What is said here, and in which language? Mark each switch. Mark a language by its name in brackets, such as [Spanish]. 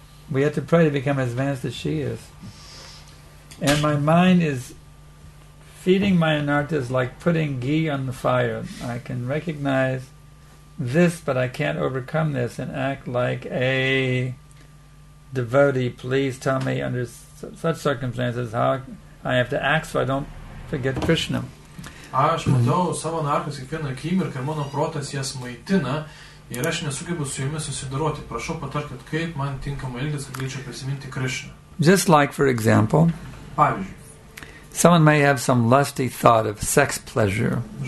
[English] We have to pray to become as advanced as she is. And my mind is feeding my anartas is like putting ghee on the fire. I can recognize this, but I can't overcome this and act like a devotee. Please tell me under such circumstances how I have to act so I don't forget Krishna. [Lithuanian] Aš matau savo anartas kiekvieną akimirką, mano protas jas maitina, ir aš nesugebu su jomis susidoroti. Prašau patarkit, kaip man tinkamai elgtis, kad galėčiau prisiminti Krishna. [English] Just like, for example, [Lithuanian] pavyzdžiui, [English] someone may have some lusty thought of sex pleasure.